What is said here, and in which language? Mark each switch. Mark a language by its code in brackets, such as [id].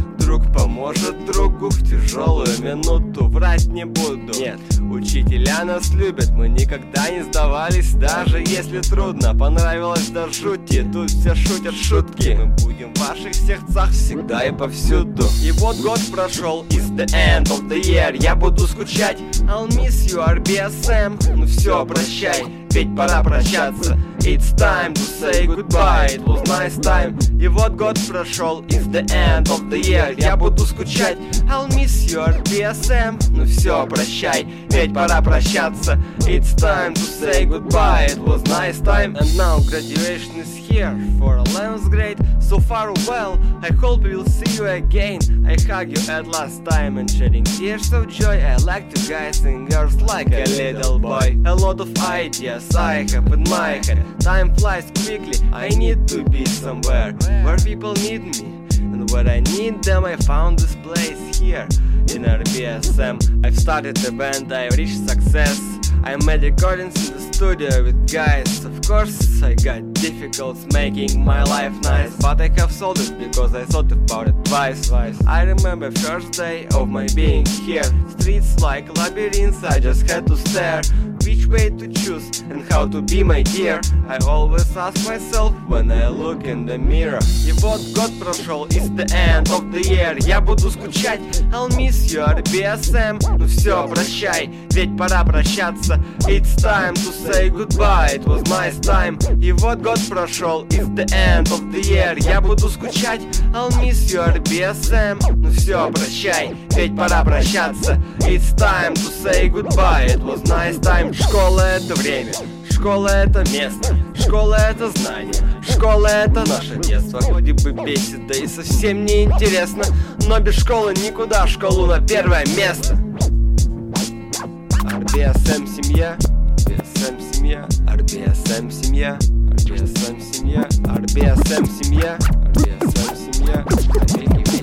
[ru] Друг поможет другу в тяжелую минуту. Врать не буду. Нет, учителя нас любят. Мы никогда не сдавались, даже если трудно. Понравилось до жути, тут все шутят шутки. Мы будем в ваших сердцах всегда и повсюду. И вот год прошел, [en] it's the end of the year. [ru] Я буду скучать, [en] I'll miss you, RBSM. [ru] Ну все, прощай, ведь пора прощаться. [en] It's time to say goodbye, it was nice time. [ru] И вот год прошел, [en] it's the end of the year. [ru] Я буду скучать, [en] I'll miss you, [ru] RBSM. Ну все, прощай, ведь пора прощаться. [en] It's time to say goodbye, it was nice time. And now graduation is here for 11th grade. So farewell, I hope we'll see you again. I hug you at last time and shedding tears of joy. I like to guys and girls like a little boy. A lot of ideas I have in my head. Time flies quickly, I need to be somewhere where people need me, and where I need them. I found this place here in RBSM. I've started a band, I've reached success. I made recordings in the studio with guys. Of course I got difficulties making my life nice, but I have sold it because I thought about it twice. I remember first day of my being here. Streets like labyrinths, I just had to stare. Which way to choose and how to be my dear, I always ask myself when I look in the mirror. [ru] И вот год прошел, [en] it's the end of the year. [ru] Я буду скучать, [en] I'll miss you, RBSM. [ru] Ну все, прощай, ведь пора прощаться. [en] It's time to say goodbye, it was nice time. [ru] И вот год прошел, [en] it's the end of the year. [ru] Я буду скучать, [en] I'll miss you, [ru] RBSM. Ну все, прощай, ведь пора прощаться. [en] It's time to say goodbye, it was nice time. [ru] Школа — это время, школа — это место, школа — это знание, школа — это наше детство. Вроде бы бесит, да и совсем не интересно, но без школы никуда, школу на первое место. RBSM — семья, RBSM — семья, RBSM — семья, RBSM — семья, RBSM — семья, RBSM — семья.